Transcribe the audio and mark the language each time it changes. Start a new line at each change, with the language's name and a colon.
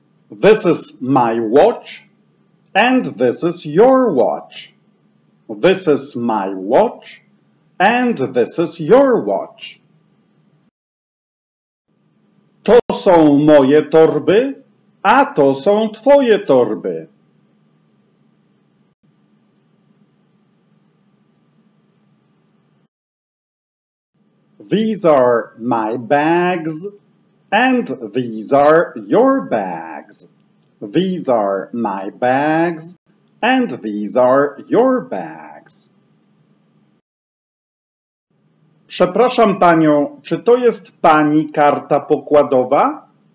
English: This is my watch and this is your watch. This is my watch and this is your watch.
Polish: To są moje torby, a to są twoje torby.
English: These are my bags, and these are your bags. These are my bags, and these are your bags.
Polish: Przepraszam panią, czy to jest pani karta pokładowa?